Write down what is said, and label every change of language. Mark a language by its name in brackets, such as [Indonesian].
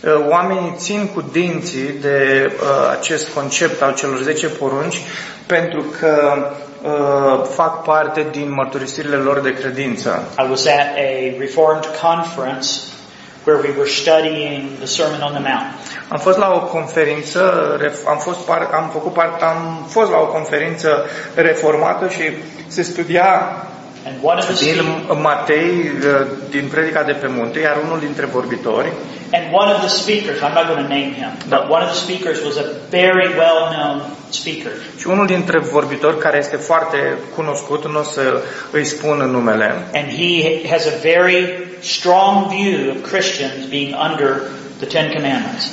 [Romanian] Oamenii țin cu dinții de acest concept al celor 10 porunci pentru că fac parte din mărturisirile lor de credință. [English] I was at a Reformed conference where we were studying the Sermon on the Mount. [Romanian] Am fost la o conferință, am fost la o conferință reformată și se studia din Matei din predica de pe munte, iar unul dintre vorbitori. [English] And one of the speakers, I'm not going to name him, but one of the speakers was a very well-known speaker. [Romanian] Și unul dintre vorbitori care este foarte cunoscut, nu o să îi spun numele. [English] And he has a very strong view of Christians being under the Ten Commandments.